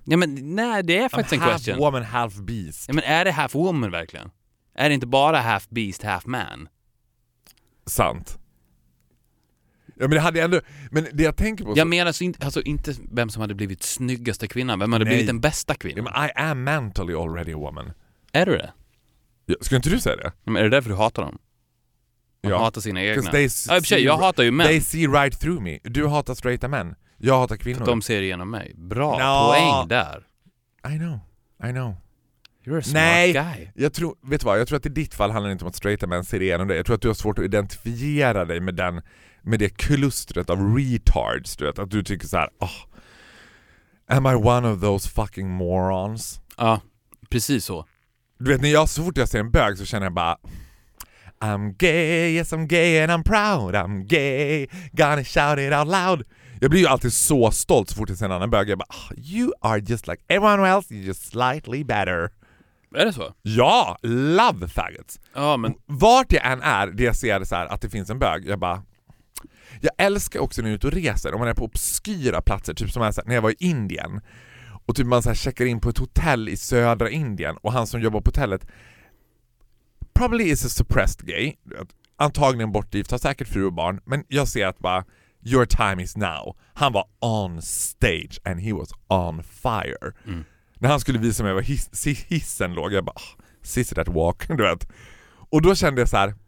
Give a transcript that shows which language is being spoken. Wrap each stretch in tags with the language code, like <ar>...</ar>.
<sv>Ja, men, nej, det är faktiskt en question.</sv> <en>Half woman, half beast.</en> <sv>Ja, men är det</sv> <en>half woman</en> <sv>verkligen? Är det inte bara half beast, half man? Sant. Ja, men det hade ändå... Men det jag tänker på... Jag menar alltså inte vem som hade blivit snyggaste kvinnan. Vem hade blivit den bästa kvinnan? Ja, men</sv> <en>I am mentally already a woman.</en> <sv>Är du det? Ja, ska inte du säga det? Ja, men är det därför du hatar dem? Man hatar sina egna. Jag hatar ju män.</sv> <en>They see right through me.</en> <sv>Du hatar straighta män. Jag hatar kvinnor. De ser igenom mig. Bra poäng där.</sv> <en>I know. You're a smart guy.</en> <sv>Jag tror att i ditt fall handlar det inte om att straighta män ser igenom dig. Jag tror att du har svårt att identifiera dig med den, med det klustret av retards. Du vet, att du tycker så här,</sv> <en>am I one of those fucking morons?</en> <sv>Ja, precis så. Du vet, när jag så fort jag ser en bög så känner jag bara,</sv> <en>I'm gay, yes I'm gay and I'm proud. I'm gay, gonna shout it out loud.</en> <sv>Jag blir ju alltid så stolt så fort jag ser en annan bög. Jag bara,</sv> <en>you are just like everyone else, you're just slightly better.</en> <sv>Är det så?</sv> <en>Ja, love faggots.</en> <sv>Ja, men... Vart jag än är, det jag ser så här, att det finns en bög, jag bara... Jag älskar också när jag är ute och reser. Om man är på obskyra platser, typ som när jag var i Indien. Och typ man så här checkar in på ett hotell i södra Indien. Och han som jobbar på hotellet...</sv> <en>Probably is a suppressed gay.</en> <sv>Antagligen bortgift, har säkert fru och barn. Men jag ser att bara,</sv> <en>your time is now.</en> <sv>Han var</sv> <en>on stage and he was on fire. Mm.</en> <sv>När han skulle visa mig var hissen låg, jag bara,</sv> <en>sissy that walk.</en> <sv>Du vet. Och då kände jag så här,</sv>